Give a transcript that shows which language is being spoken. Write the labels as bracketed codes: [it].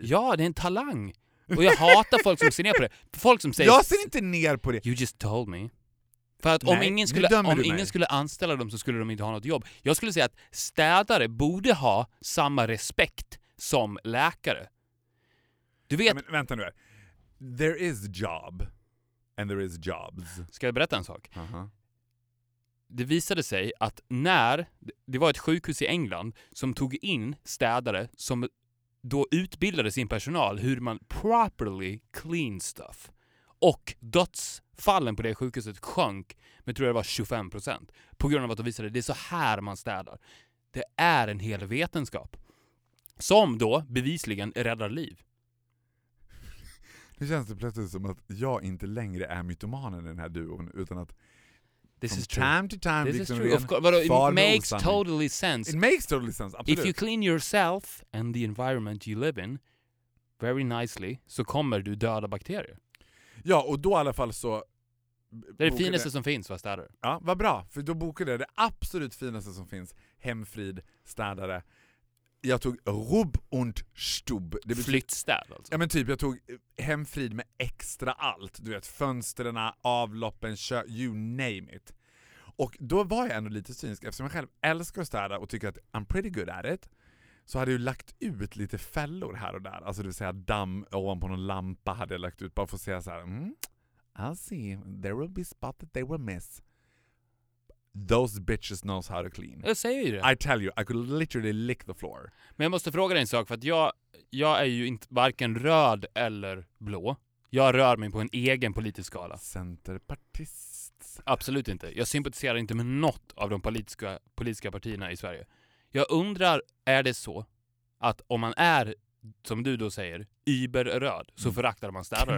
[sv] Ja, det är en talang. Och jag hatar folk som ser ner på det. Folk som säger, jag ser inte ner på det. [en] You just told me. [sv] För att om ingen skulle anställa dem så skulle de inte ha något jobb. Jag skulle säga att städare borde ha samma respekt som läkare. Du vet... Men vänta nu här. [en] There is job and there is jobs. [sv] Ska jag berätta en sak? Det visade sig att när det var ett sjukhus i England som tog in städare som då utbildade sin personal hur man [en] properly clean stuff. [sv] Och dödsfallen på det sjukhuset sjönk med, tror jag, det var 25% på grund av att de visade att det är så här man städar. Det är en hel vetenskap som då bevisligen räddar liv. Det känns det plötsligt som att jag inte längre är mytomanen i den här duon, utan att [en] this from is true. Time to time, this is true. Of course, it makes totally sense. It makes totally sense. Absolutely. If you clean yourself and the environment you live in very nicely, [sv] så kommer du döda bakterier. Ja, och då i alla fall så... Det är det finaste som finns, vad städare. Ja, vad bra. För då bokade jag det absolut finaste som finns. Hemfrid, städare. Jag tog rubb und stubb. Flyttstäd alltså. Ja, men typ jag tog hemfrid med extra allt. Du vet, fönstren, avloppen, [en] you name it. [sv] Och då var jag ändå lite cynisk. Eftersom jag själv älskar att städa och tycker att [en] I'm pretty good at it, [sv] så hade jag ju lagt ut lite fällor här och där. Alltså det vill säga damm ovanpå någon lampa hade jag lagt ut. Bara för att säga så här, [en] I'll see, there will be spot that they will miss. Those bitches knows how to clean. [sv] Jag säger ju det. [en] I tell you, I could literally lick the floor. [sv] Men jag måste fråga dig en sak, för att jag är ju inte varken röd eller blå. Jag rör mig på en egen politisk skala. Centerpartist. Absolut inte. Jag sympatiserar inte med något av de politiska partierna i Sverige. Jag undrar, är det så att om man är, som du då säger, yberröd, så föraktar man städare?